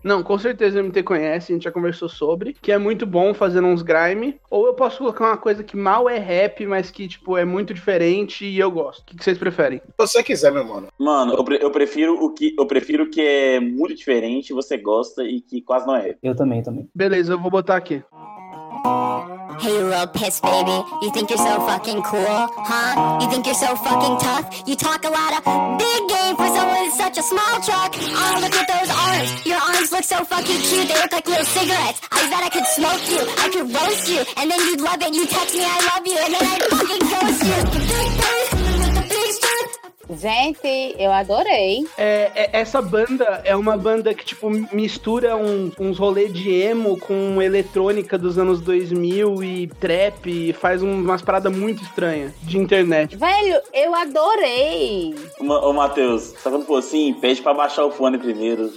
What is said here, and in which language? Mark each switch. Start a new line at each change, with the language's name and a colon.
Portuguese: Não, com certeza o MT conhece, a gente já conversou sobre. Que é muito bom fazendo uns grime. Ou eu posso colocar uma coisa que mal é rap, mas que, tipo, é muito diferente e eu gosto. O que vocês preferem? Se você quiser, meu mano. Mano, eu prefiro o que é muito diferente, você gosta e que quase não é rap. Eu também. Beleza, eu vou botar aqui.
English: Hey, little piss baby, you think you're so fucking cool, huh? You think you're so fucking tough? You talk a lot of big game for someone in such a small truck. Oh, look at those arms. Your arms look so fucking cute. They look like little cigarettes. I bet I could smoke you. I could roast you. And then you'd love it. You text me, I love you. And then I'd fucking ghost you.
Portuguese: Gente, eu adorei. Essa banda é uma banda que, tipo, mistura uns rolês de emo com eletrônica dos anos 2000 e trap e faz umas paradas muito estranhas de internet. Velho, eu adorei. Ô, Matheus, só quando for assim, pede pra baixar o fone primeiro.